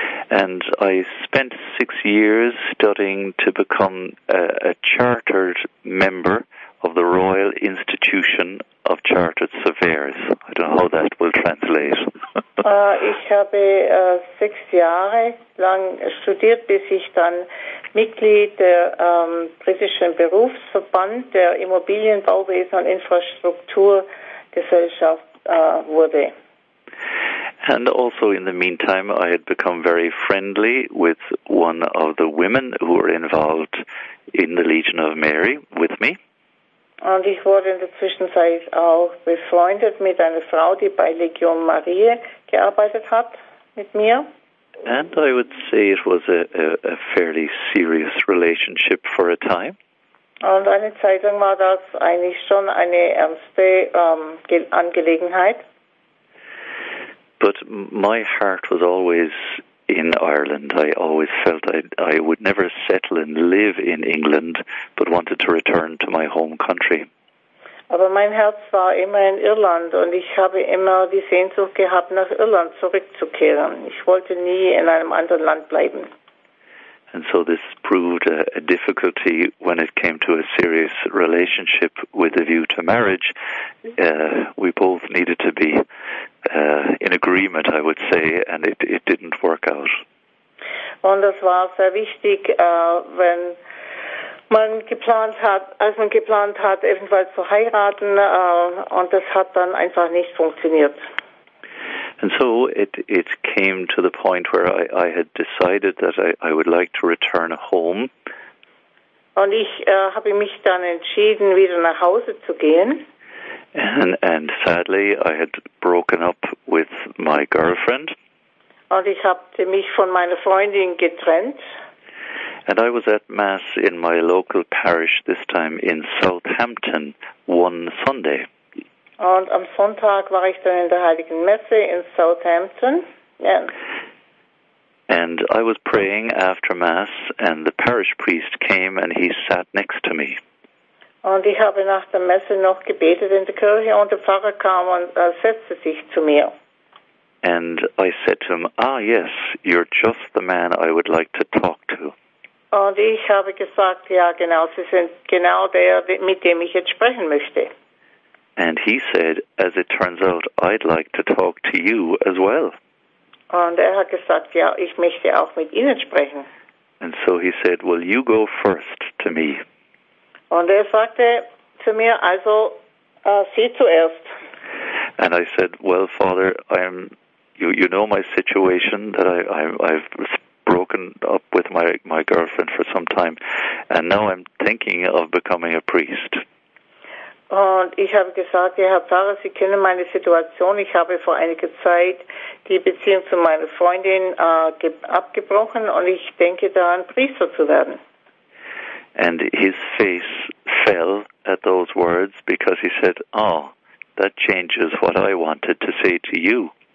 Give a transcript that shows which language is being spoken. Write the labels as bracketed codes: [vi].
[en] And I spent 6 years studying to become a chartered member of the Royal Institution of Chartered Surveyors. I don't know how that will translate. [de] Ich habe 6 Jahre lang studiert, bis ich dann Mitglied der britischen Berufsverband der Immobilienbauwesen und Infrastrukturgesellschaft wurde. [en] And also in the meantime, I had become very friendly with one of the women who were involved in the Legion of Mary with me. [de] Und ich wurde in der Zwischenzeit auch befreundet mit einer Frau, die bei Legion Marie gearbeitet hat, mit mir. [en] And I would say it was a fairly serious relationship for a time. [de] Und eine Zeit lang war das eigentlich schon eine ernste Angelegenheit. [en] But my heart was always in Ireland. I always felt I would never settle and live in England, but wanted to return to my home country. [de] Aber mein Herz war immer in Irland und ich habe immer die Sehnsucht gehabt, nach Irland zurückzukehren. Ich wollte nie in einem anderen Land bleiben. [en] And so this proved a difficulty when it came to a serious relationship with a view to marriage. We both needed to be in agreement, I would say, and it didn't work out. [de] Und das war sehr wichtig, wenn man geplant hat, als man geplant hat, eventuell zu heiraten, und das hat dann einfach nicht funktioniert. [en] And so it came to the point where I had decided that I would like to return home. [de] Und ich habe mich dann entschieden, wieder nach Hause zu gehen. [en] And sadly, I had broken up with my girlfriend. [de] Und ich habe mich von meiner Freundin getrennt. [en] And I was at Mass in my local parish, this time in Southampton, one Sunday. [de] Und am Sonntag war ich dann in der Heiligen Messe in Southampton. [en] Yeah. And I was praying after Mass, and the parish priest came and he sat next to me. [de] Und ich habe nach der Messe noch gebetet in der Kirche, und der Pfarrer kam und setzte sich zu mir. [en] And I said to him, ah yes, you're just the man I would like to talk to. [de] Und ich habe gesagt, ja genau, Sie sind genau der, mit dem ich jetzt sprechen möchte. [en] And he said, as it turns out, I'd like to talk to you as well. [de] Und hat gesagt, ja, ich möchte auch mit Ihnen sprechen. [en] And so he said, will you go first to me? [de] Und sagte zu mir, also, Sie zuerst. [en] And I said, well, Father, you know my situation, that I've broken up with my girlfriend for some time, and now I'm thinking of becoming a priest. [de] Und ich habe gesagt, ja, Herr Pfarrer, Sie kennen meine Situation. Ich habe vor einiger Zeit die Beziehung zu meiner Freundin abgebrochen und ich denke daran, Priester zu werden. [en] And his face fell at those words because he said, oh, that changes what I wanted to say to you.